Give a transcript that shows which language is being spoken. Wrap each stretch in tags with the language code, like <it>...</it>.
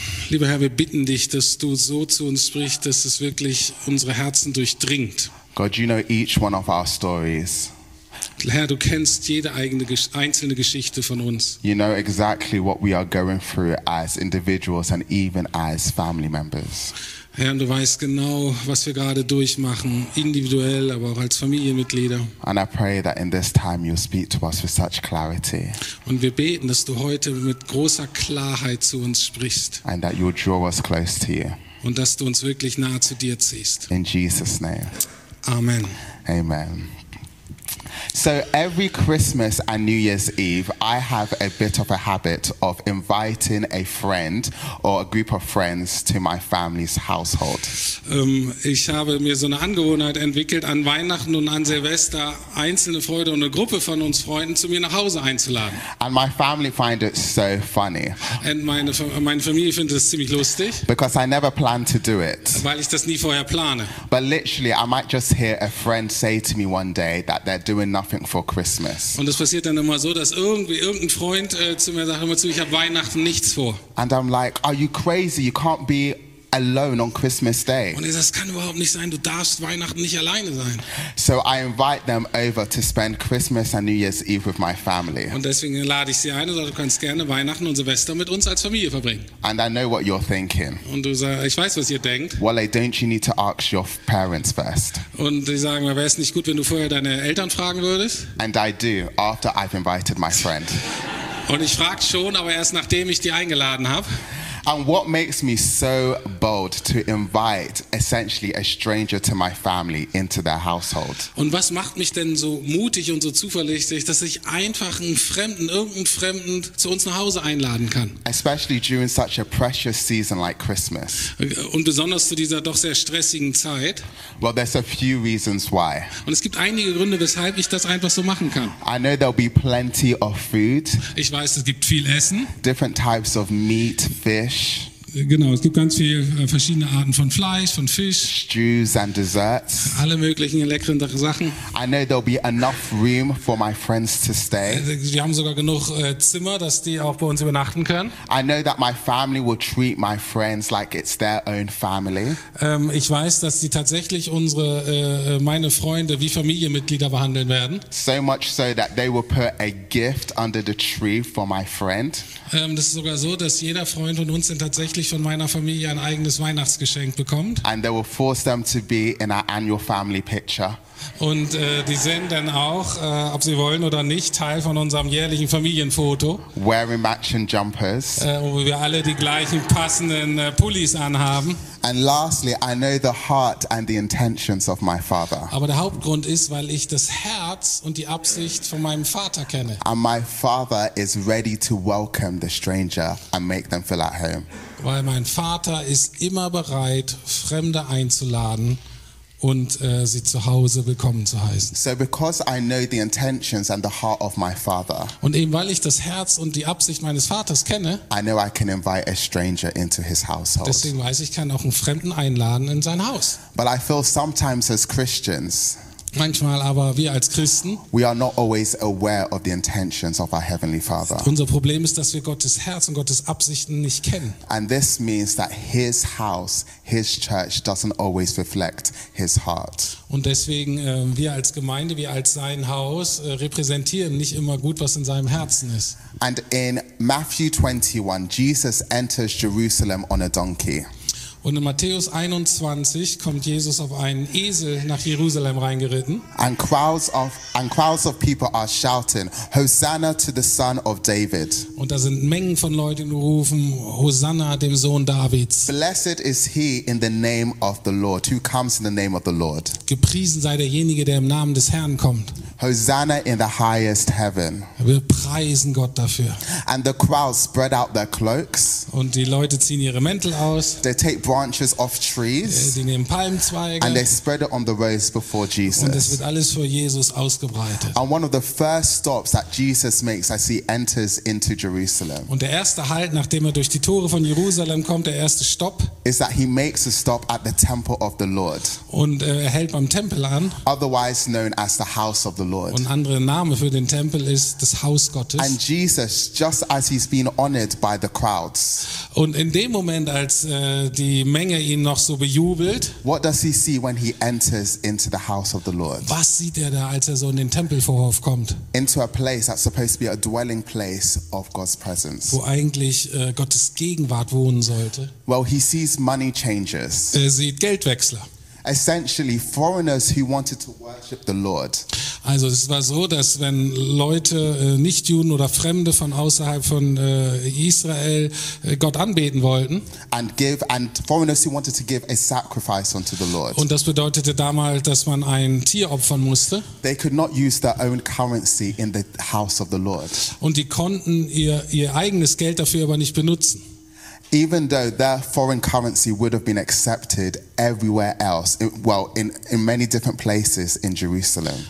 <de>Lieber Herr, wir bitten dich, dass du so zu uns sprichst, dass es wirklich unsere Herzen durchdringt.</de> <en>God, you know each one of our stories.</en> <de>Herr, du kennst jede eigene einzelne Geschichte von uns.</de> <en>You know exactly what we are going through as individuals and even as family members.</en> <de>Herr, du weißt genau, was wir gerade durchmachen, individuell, aber auch als Familienmitglieder.</de> <en>And I pray that in this time you speak to us with such clarity.</en> <de>Und wir beten, dass du heute mit großer Klarheit zu uns sprichst.</de> <en>And that you draw us close to you.</en> <de>Und dass du uns wirklich nahe zu dir ziehst.</de> <en>In Jesus' name. Amen. Amen. So every Christmas and New Year's Eve, I have a bit of a habit of inviting a friend or a group of friends to my family's household.</en> <de>Ich habe mir so eine Angewohnheit entwickelt, an Weihnachten und an Silvester einzelne Freunde und eine Gruppe von uns Freunden zu mir nach Hause einzuladen.</de> <en>And my family find it so funny.</en> <de>Und meine Familie findet es ziemlich lustig.</de> <en>Because I never plan to do it.</en> <de>Weil ich das nie vorher plane.</de> <en>But literally, I might just hear a friend say to me one day that they're doing nothing for Christmas.</en> <de>Und es passiert dann immer so, dass irgendein Freund zu mir sagt immer zu, ich habe Weihnachten nichts vor.</de> <en>And I'm like, are you crazy? You can't be alone on Christmas Day.</en> <de>Und das kann überhaupt nicht sein. Du darfst Weihnachten nicht alleine sein.</de> <en>So I invite them over to spend Christmas and New Year's Eve with my family.</en> <de>Und deswegen lade ich sie ein und sage, du kannst gerne Weihnachten und Silvester mit uns als Familie verbringen.</de> <en>And I know what you're thinking.</en> <de>Und du sagst, ich weiß, was ihr denkt.</de> <en>Well, don't you need to ask your parents first?</en> <de>Und die sagen, wäre es nicht gut, wenn du vorher deine Eltern fragen würdest?</de> <en>And I do, after I've invited my friend.</en> <de>Und ich frage schon, aber erst nachdem ich die eingeladen habe.</de> <en>And what makes me so bold to invite essentially a stranger to my family into their household?</en> <de>Und was macht mich denn so mutig und so zuversichtlich, dass ich einfach irgendeinen Fremden zu uns nach Hause einladen kann?</de> <en>Especially during such a precious season like Christmas.</en> <de>Und besonders zu dieser doch sehr stressigen Zeit.</de> <en>Well, there's a few reasons why.</en> <de>Und es gibt einige Gründe, weshalb ich das einfach so machen kann.</de> <en>I know there'll be plenty of food.</en> <de>Ich weiß, es gibt viel Essen.</de> <en>Different types of meat, fish.</en> <de>Genau, es gibt ganz viele verschiedene Arten von Fleisch, von Fisch.</de> <en>Stews and desserts.</en> <de>Alle möglichen leckeren Sachen.</de> <en>I know there'll be enough room for my friends to stay.</en> <de>Wir haben sogar genug Zimmer, dass die auch bei uns übernachten können.</de> <en>I know that my family will treat my friends like it's their own family.</en> <de>Ich weiß, dass sie tatsächlich meine Freunde wie Familienmitglieder behandeln werden.</de> <en>So much so that they will put a gift under the tree for my friend.</en> <de>Das ist sogar so, dass jeder Freund von uns tatsächlich von meiner Familie ein eigenes Weihnachtsgeschenk bekommt.</de> <en>And they will force them to be in our annual family picture.</en> <de>Und die sind dann auch, ob sie wollen oder nicht, Teil von unserem jährlichen Familienfoto.</de> <en>Wearing matching jumpers.</en> <de>Wo wir alle die gleichen passenden Pullis anhaben.</de> <en>And lastly, I know the heart and the intentions of my father.</en> <de>Aber der Hauptgrund ist, weil ich das Herz und die Absicht von meinem Vater kenne.</de> <en>And my father is ready to welcome the stranger and make them feel at home.</en> <de>Weil mein Vater ist immer bereit, Fremde einzuladen und sie zu Hause willkommen zu heißen.</de> <en>So because I know the intentions and the heart of my father.</en> <de>Und eben weil ich das Herz und die Absicht meines Vaters kenne.</de> <en>I know I can invite a stranger into his household.</en> <de>Deswegen weiß ich, kann auch einen Fremden einladen in sein Haus.</de> <en>But I feel sometimes as Christians.</en> <de>Manchmal aber wir als Christen.</de> <en>We are not always aware of the intentions of our heavenly father.</en> <de>Unser Problem ist, dass wir Gottes Herz und Gottes Absichten nicht kennen.</de> <en>And this means that his house, his church doesn't always reflect his heart.</en> <de>Und deswegen wir als Gemeinde, wir als sein Haus repräsentieren nicht immer gut, was in seinem Herzen ist.</de> <en>And in Matthew 21 Jesus enters Jerusalem on a donkey.</en> <de>Und in Matthäus 21 kommt Jesus auf einen Esel nach Jerusalem reingeritten.</de> <en>And crowds of people are shouting, Hosanna to the Son of David.</en> <de>Und da sind Mengen von Leuten, die rufen, Hosanna dem Sohn Davids.</de> <en>Blessed is he in the name of the Lord, who comes in the name of the Lord.</en> <de>Gepriesen sei derjenige, der im Namen des Herrn kommt.</de> <en>Hosanna in the highest heaven.</en> <de>Wir preisen Gott dafür.</de> <en>And the crowd spread out their cloaks.</en> <de>Und die Leute ziehen ihre Mäntel aus.</de> <en>They take branches off trees.</en> <de>Sie nehmen Palmzweige.</de> <en>And they spread it on the roads before Jesus.</en> <de>Und es wird alles vor Jesus ausgebreitet.</de> <en>And one of the first stops that Jesus makes as he enters into Jerusalem.</en> <de>Und der erste Halt, nachdem er durch die Tore von Jerusalem kommt, der erste Stopp.</de> <en>Is that he makes a stop at the temple of the Lord.</en> <de>Und er hält beim Tempel an.</de> <en>Otherwise known as the house of the Lord.</en> <de>Und andere Name für den Tempel ist das Haus Gottes.</de> <en>And Jesus, just as he's been honored by the crowds.</en> <de>Und in dem Moment, als die Menge ihn noch so bejubelt.</de> <en>What does he see when he enters into the house of the Lord?</en> <de>Was sieht er da, als er so in den Tempelvorhof kommt?</de> <en>Into a place that's supposed to be a dwelling place of God's presence.</en> <de>Wo eigentlich Gottes Gegenwart wohnen sollte.</de> <en>Well, he sees money changers.</en> <de>Er sieht Geldwechsler.</de> <en>Essentially, foreigners who wanted to worship the Lord.</en> <de>Also es war so, dass wenn Leute, Nichtjuden oder Fremde von außerhalb von Israel Gott anbeten wollten.</de> <en>And foreigners who wanted to give a sacrifice unto the Lord.</en> <de>Und das bedeutete damals, dass man ein Tier opfern musste.</de> <en>They could not use their own currency in the house of the Lord.</en> <de>Und die konnten ihr eigenes Geld dafür aber nicht benutzen.</de> <en>Even though their foreign currency would have been accepted everywhere else, in many different places in Jerusalem.</en>